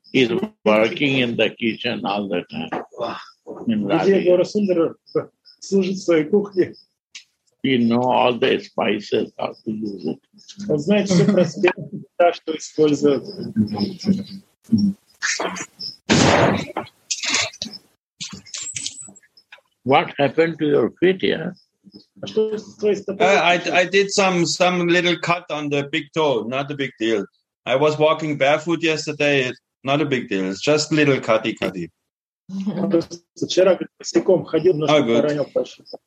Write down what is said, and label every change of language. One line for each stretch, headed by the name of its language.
English: He's working in the kitchen all the time.
Russian: Где Гора Сундара служит в своей кухне?
English: He know all the spices how to use it.
Russian: Он знает все про специи, что использует.
English: What happened to your feet, yeah? I did some little cut on the big toe. Not a big deal. I was walking barefoot yesterday. Not a big deal. It's just little cutty.
Russian: Вчера босиком ходил, но поранил пальчик.